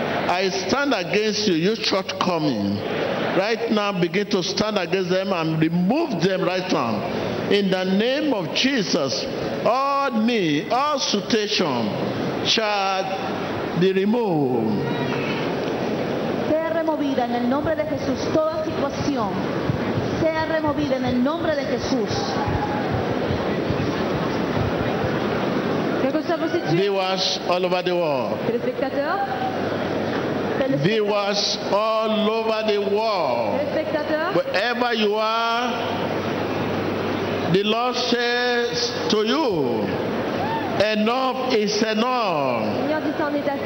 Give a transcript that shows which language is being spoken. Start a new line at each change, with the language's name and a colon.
English: I stand against you, you shortcoming. Right now, begin to stand against them and remove them right now. In the name of Jesus, all me, all situation shall be removed.
Spanish: Sea removida en el nombre de Jesús toda situación. Sea removida en el nombre de Jesús.
English: Viewers all over the world. Viewers all over the world. Wherever you are, the Lord says to you, enough is enough.